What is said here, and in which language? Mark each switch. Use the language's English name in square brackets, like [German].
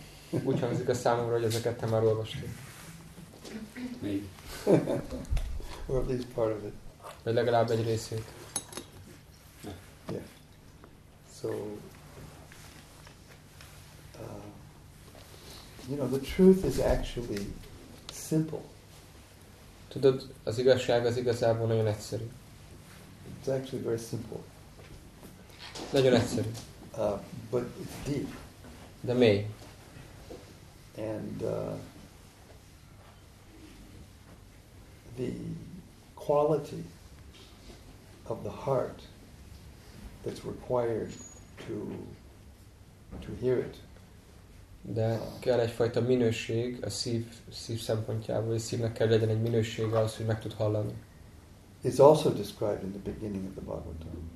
[Hungarian] Úgy hangzik a számomra, hogy ezeket te már olvastad. [English] Or at least part of it. [Hungarian] Vagy legalább egy részét. [English] Yeah. So, you know, the truth is actually simple. [Hungarian] Tudod, az igazság az igazából nagyon egyszerű. [English] It's actually very simple. [Hungarian] Nagyon egyszerű. [English] But it's deep. [Hungarian] De mély. [English] And the quality of the heart that's required to hear it. [Hungarian] De kell egyfajta minőség a szív szempontjából, és szívnek kell legyen egy minősége ahhoz, hogy meg tud hallani. [English] It's also described in the beginning of the Bhagavatam.